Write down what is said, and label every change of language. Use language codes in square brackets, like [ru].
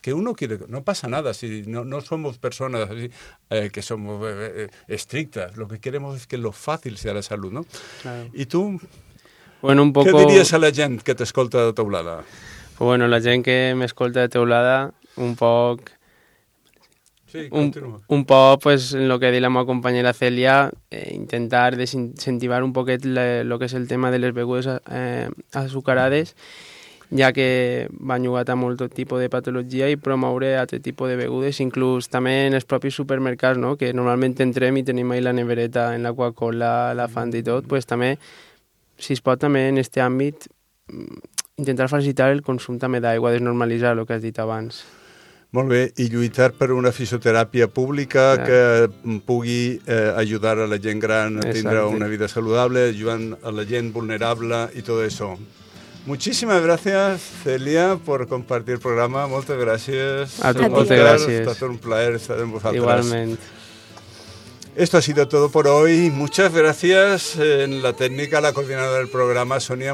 [es] Que uno quiere, no pasa nada, si no somos personas así, que somos estrictas. Lo que queremos es que lo fácil sea la salud, ¿no? Claro. Y tú, bueno, un poco... ¿qué dirías a la gente que te escolta de Teulada? Pues bueno, la gente que me escolta de Teulada, un poco... Sí, un poco pues [ca] en lo que di la meva compañera Celia, intentar desincentivar un poquet lo que és el tema de les begudes azucarades, ja que van jugat a molt tipus de patologia i promoure altre tipus de begudes, inclús també en els propis supermercats, no? Que normalment entrem i tenim ahí la nevereta en la Coca-Cola, la Fanta i tot, pues també, si es pot també en este àmbit, intentar facilitar el consum també d'aigua, desnormalitzar el que has dit abans. Molt bé, i lluitar per una fisioteràpia pública que pugui ajudar a la gent gran a tindre una vida saludable, ajudant a la gent vulnerable i tot això. Moltíssimes gràcies, Celia, per compartir el programa. Moltes gràcies. A tu, moltes gràcies. Ha estat un plaer estar amb vosaltres. Igualment. [es] Esto ha sido todo por hoy. Muchas gracias en la técnica, la coordinadora del programa, Sonia.